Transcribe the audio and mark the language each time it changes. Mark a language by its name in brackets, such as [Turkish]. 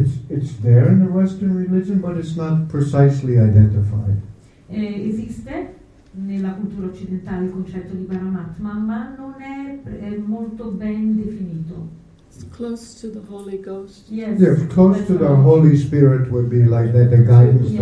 [English] It's there in the Western religion, but it's not precisely identified. [Italian] Esiste nella cultura occidentale il concetto di Paramatma, ma non è molto ben definito. [English] It's close to the Holy Ghost. Yes. Yeah, close to the Holy Spirit would be like that, the guidance yes.